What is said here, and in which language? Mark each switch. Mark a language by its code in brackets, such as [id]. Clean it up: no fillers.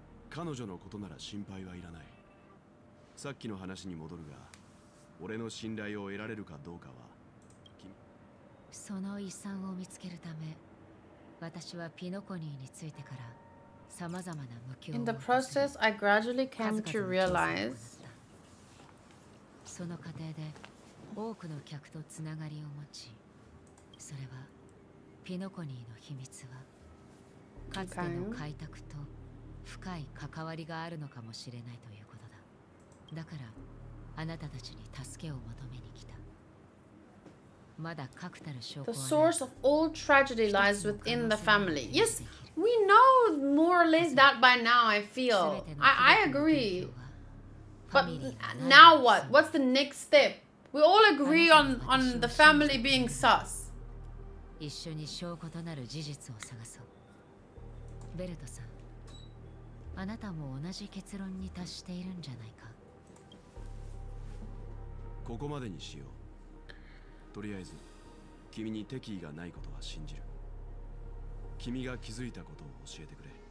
[ja] 彼女のことなら心配はいらない。さっきの話に戻るが、俺の信頼を得られるかどうかは。その遺産を見つけるため、私はピノコニーについてから様々な向きを持って。 [en] In the process, I gradually came to realize。 [ja] その過程で多くの客とつながりを持ち、それはピノコニーの秘密はかつての開拓と。深い関わりがあるのかもしれないということだ。だからあなたたちに助けを求めに来た。まだ確たる証拠はない。 [en] The source of all tragedy lies within the family. Yes, we know more or less that by now, I feel. I agree. But now what? What's the next step? We all agree on the family being sus. [ja] 一緒に証拠となる事実を探そう。ベルトさん、あなたも同じ結論に達しているんじゃないか。ここまでにしよう。とりあえず君に敵意がないことは信じる。君が気づいたことを教えてくれ。